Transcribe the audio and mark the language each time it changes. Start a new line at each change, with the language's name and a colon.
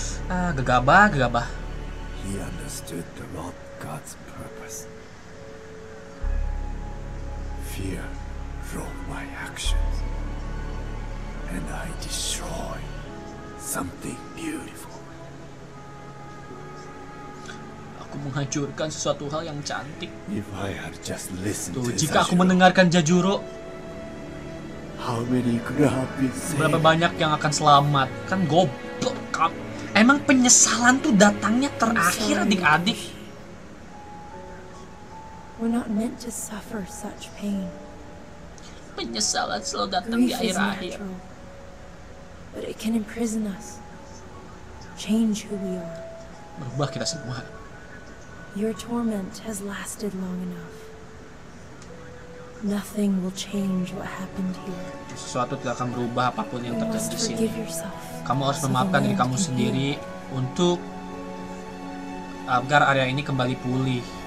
Indonesian: Ah, gegabah.
English: He understood the Lord God's purpose. Fear drove my actions, and I destroyed something beautiful.
Indonesian: Aku menghancurkan sesuatu hal yang cantik.
English: If I had just listened
Indonesian: to jika aku mendengarkan Jajuro,
English: how many could have been saved?
Indonesian: Berapa banyak yang akan selamat? Kan goblok kamu. Emang penyesalan tuh datangnya terakhir, adik-adik.
English: We're not meant to suffer such pain.
Indonesian: Penyesalan selalu datang di akhir-akhir.
English: But it can imprison us. Change who we are.
Indonesian: Merubah kita semua.
English: Your torment has lasted long enough. Nothing will change what happened here.
Indonesian: Sesuatu tidak akan berubah apapun yang terjadi di sini. Kamu harus memaafkan diri kamu sendiri untuk agar area ini kembali pulih.